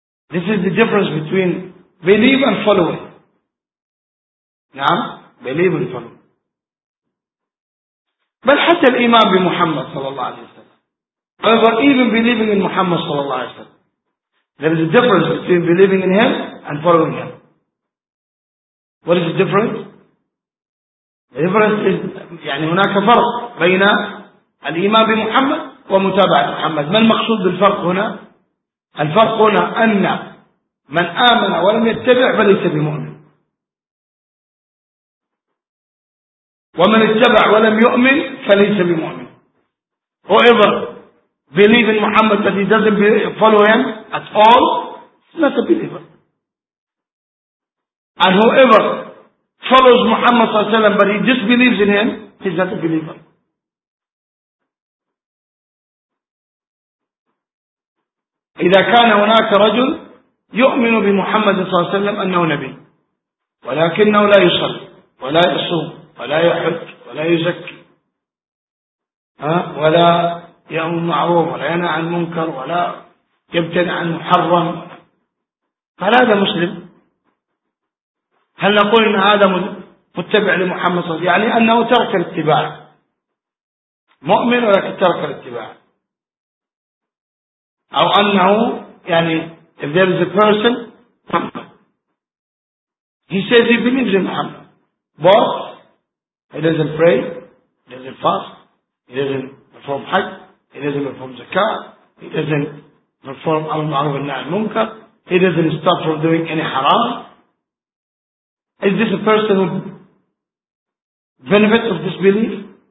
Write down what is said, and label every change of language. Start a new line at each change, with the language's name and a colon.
English: This is the difference between believe and follow.
Arabic: نعم
English: believe and follow.
Arabic: بل حتى الإيمان بمحمد صلى الله عليه وسلم.
English: However, even believing in Muhammad صلى الله عليه وسلم, there is a difference between believing in him and following him. What is the difference? The difference is
Arabic: يعني هناك فرق بين الإيمان بمحمد ومتابعة محمد. ما المقصود بالفرق هنا؟ الفرق هنا أن من آمن ولم يتبع فليس بمؤمن, ومن اتبع ولم يؤمن فليس بمؤمن.
English: Whoever believe in Muhammad but he doesn't follow him at all, he's not a believer. And whoever follows Muhammad صلى الله عليه وسلم but he disbelieves in him, he's not a believer.
Arabic: إذا كان هناك رجل يؤمن بمحمد صلى الله عليه وسلم أنه نبي, ولكنه لا يصلي ولا يصوم ولا يحج ولا يزكي ولا يأمر بالمعروف ولا ينهى عن المنكر ولا يبتعد عن المحرم, فهل هذا مسلم؟ هل نقول أن هذا متبع لمحمد صلى الله عليه وسلم؟ يعني أنه ترك الاتباع, مؤمن ولكن ترك الاتباع. أو أنه يعني
English: if there is a person he says he believes in Muhammad but he doesn't pray, he doesn't fast, he doesn't perform Hajj, he doesn't perform Zakah, he doesn't perform Al-Ma'ruf Al-Munkar, he doesn't stop from doing any haram, is this a person who benefits of this belief?